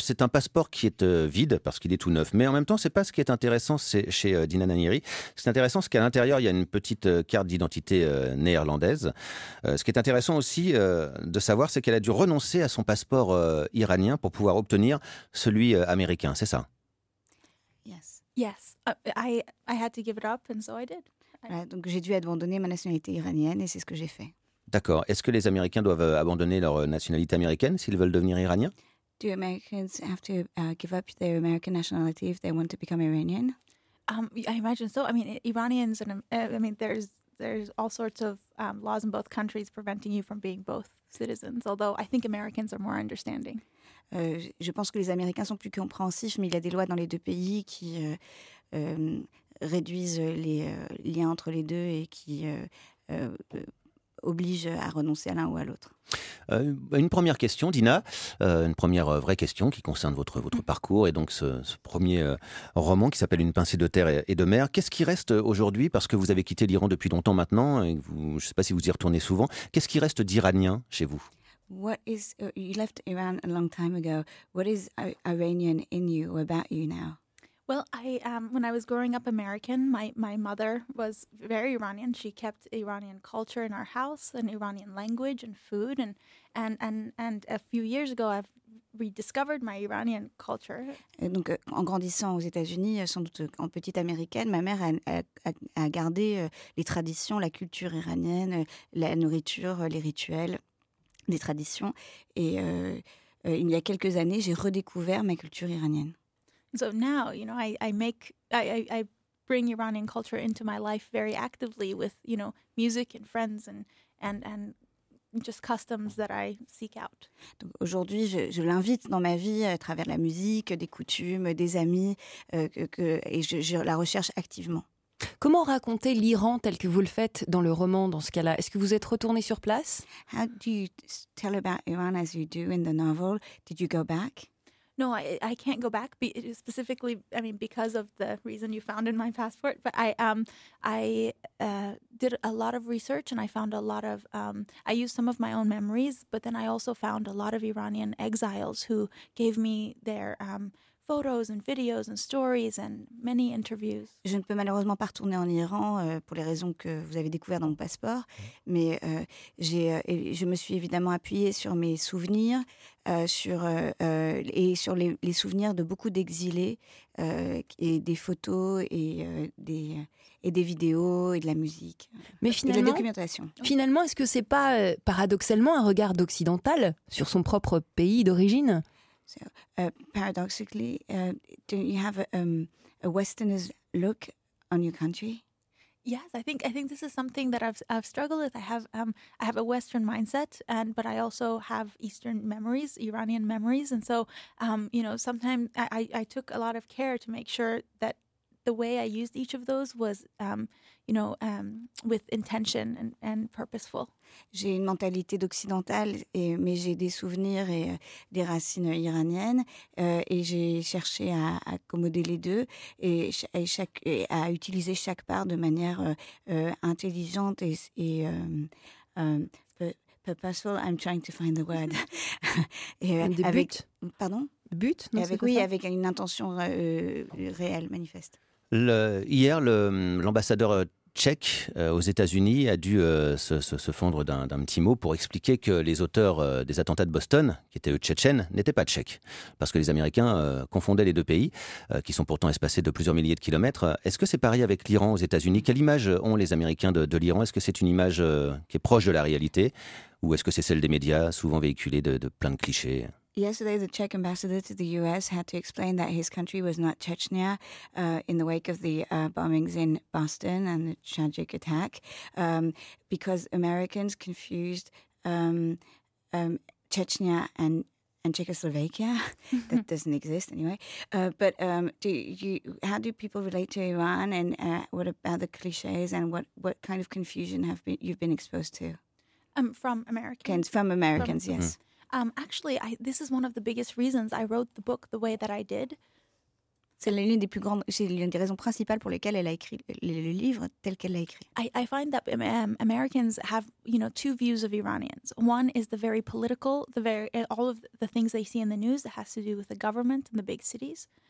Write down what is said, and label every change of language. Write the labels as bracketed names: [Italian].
[French] C'est un passeport qui est vide parce qu'il est tout neuf. Mais en même temps, ce n'est pas ce qui est intéressant chez Dina Nayeri. Ce qui est intéressant, c'est qu'à l'intérieur, il y a une petite carte d'identité néerlandaise. Ce qui est intéressant aussi de savoir, c'est qu'elle a dû renoncer à son passeport iranien pour pouvoir obtenir celui américain, c'est ça? [English] Yes. Yes. I had to give it up and so I did. [French] Donc j'ai dû abandonner ma nationalité iranienne et c'est ce que j'ai fait. D'accord. Est-ce que les Américains doivent abandonner leur nationalité américaine s'ils veulent devenir iraniens? [English] Do Americans have to give up their American nationality if they want to become Iranian? I imagine so. I mean, Iranians and I mean, there's all sorts of laws in both countries preventing you from being both citizens. Although I think Americans are more understanding. [French] Je pense que les Américains sont plus compréhensifs, mais il y a des lois dans les deux pays qui réduisent les liens entre les deux et qui oblige à renoncer à l'un ou à l'autre. Une première question, Dina, une première vraie question qui concerne votre parcours et donc ce premier roman qui s'appelle Une pincée de terre et de mer. Qu'est-ce qui reste aujourd'hui, parce que vous avez quitté l'Iran depuis longtemps maintenant, et je ne sais pas si vous y retournez souvent, qu'est-ce qui reste d'iranien chez vous? [English] What is, you left Iran a long time ago. What is Iranian in you or about you now? Well, when I was growing up American, my mother was very Iranian. She kept Iranian culture in our house and Iranian language and food. And a few years ago, I've rediscovered my Iranian culture. [French] Et donc, en grandissant aux États-Unis, sans doute en petite américaine, ma mère a gardé les traditions, la culture iranienne, la nourriture, les rituels, des traditions. Et il y a quelques années, j'ai redécouvert ma culture iranienne. [English] So now, you know, I bring Iranian culture into my life very actively with, you know, music and friends and just customs that I seek out. [French] Donc aujourd'hui, je l'invite dans ma vie à travers la musique, des coutumes, des amis, et je la recherche activement. Comment raconter l'Iran tel que vous le faites dans le roman dans ce cas-là? Est-ce que vous êtes retourné sur place? [English] How do you tell about Iran as you do in the novel? Did you go back? No, I can't go back specifically. I mean, because of the reason you found in my passport. But I did a lot of research and I found a lot of. I used some of my own memories, but then I also found a lot of Iranian exiles who gave me their photos and videos and stories and many interviews. [French] Je ne peux malheureusement pas retourner en Iran pour les raisons que vous avez découvertes dans mon passeport, mais je me suis évidemment appuyée sur mes souvenirs. Sur les souvenirs de beaucoup d'exilés et des photos et des vidéos et de la musique. Mais finalement, et de la documentation. Finalement, est-ce que c'est pas paradoxalement un regard d'occidental sur son propre pays d'origine? [English] So, paradoxically, do you have a Westerner's look on your country? Yes, I think this is something that I've struggled with. I have a Western mindset, but I also have Eastern memories, Iranian memories, and so you know, sometimes I took a lot of care to make sure that the way I used each of those was with intention and purposeful. [French] J'ai une mentalité d'occidentale, mais j'ai des souvenirs et des racines iraniennes, et j'ai cherché à accommoder les deux et à utiliser chaque part de manière intelligente et purposeful. [English] I'm trying to find the word. [French] avec une intention réelle, manifeste. Hier, l'ambassadeur tchèque aux États-Unis a dû se fondre d'un petit mot pour expliquer que les auteurs des attentats de Boston, qui étaient eux tchétchènes, n'étaient pas tchèques, parce que les Américains confondaient les deux pays, qui sont pourtant espacés de plusieurs milliers de kilomètres. Est-ce que c'est pareil avec l'Iran aux États-Unis? Quelle image ont les Américains de l'Iran? Est-ce que c'est une image qui est proche de la réalité, ou est-ce que c'est celle des médias, souvent véhiculée de plein de clichés? [English] Yesterday, the Czech ambassador to the U.S. had to explain that his country was not Chechnya in the wake of the bombings in Boston and the tragic attack, because Americans confused Chechnya and Czechoslovakia. That doesn't exist anyway. How do people relate to Iran, and what about the cliches, and what kind of confusion you've been exposed to? From Americans. From Americans, yes. Mm-hmm. Actually, this is one of the biggest reasons I wrote the book the way that I did. [French] C'est l'une des plus grandes, c'est l'une des raisons principales pour lesquelles elle a écrit le livre tel qu'elle l'a écrit. [English] I find that Americans have, you know, two views of Iranians. One is the very political, the very all of the things they see in the news that has to do with the government and the big cities.